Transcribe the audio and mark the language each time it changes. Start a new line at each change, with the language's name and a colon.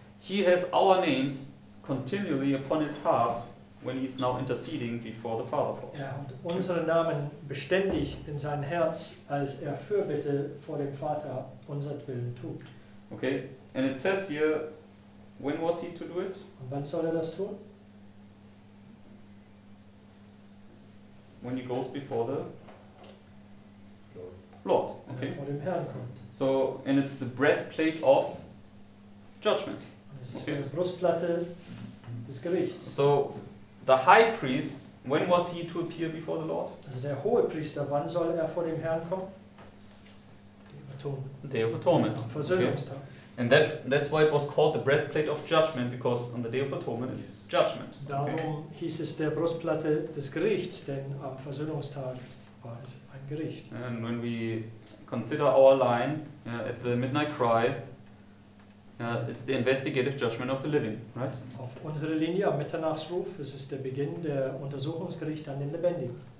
English: He has our names continually upon his heart. When he's now interceding before the Father.
German: Er hat unseren Namen beständig in sein Herz, als er Fürbitte vor dem Vater unsertwillen tut.
English: Okay, and it says here, when was he to do it?
German: Und wann soll er das tun?
English: When he goes before the Lord. Okay.
German: Vor dem Herrn kommt.
English: So, and it's the breastplate of judgment.
German: Es ist die Brustplatte des Gerichts.
English: So, the high priest, when was he to appear before the Lord?
German: Also der hohe Priester, wann soll er vor dem Herrn kommen?
English: Day of Atonement.
German: Versöhnungstag.
English: Okay. And that's why it was called the breastplate of judgment, because on the Day of Atonement is judgment.
German: Darum hieß es der Brustplatte des Gerichts, denn am Versöhnungstag war es ein Gericht.
English: And when we consider our line at the midnight cry, it's the investigative judgment of the living, right?
German: Auf unsere Linie am Mitternachtsruf, es ist der Beginn der Untersuchungsgericht an den Lebendigen.